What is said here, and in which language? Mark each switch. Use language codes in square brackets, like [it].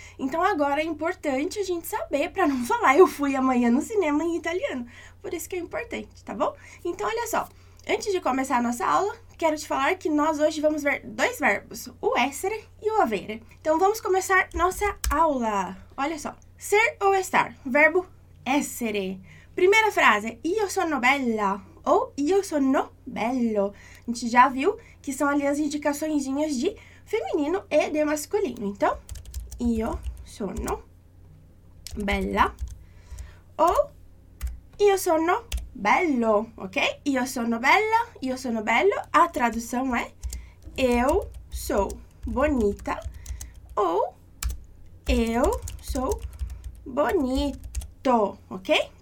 [pt] Então agora é importante a gente saber para não falar "eu fui amanhã no cinema" em italiano. Por isso que é importante, tá bom? Então olha só, antes de começar a nossa aula, quero te falar que nós hoje vamos ver dois verbos, o essere e o avere. Então vamos começar nossa aula. Olha só, ser ou estar, verbo essere. Primeira frase: [it] io sono bella [pt] ou [it] io sono bello. [pt] A gente já viu que são ali as indicaçõezinhas de feminino e de masculino. Então, [it] io sono bella [pt] ou [it] io sono bello, [pt] ok? [it] Io sono bella, io sono bello. [pt] A tradução é: eu sou bonita ou eu sou bonito, ok?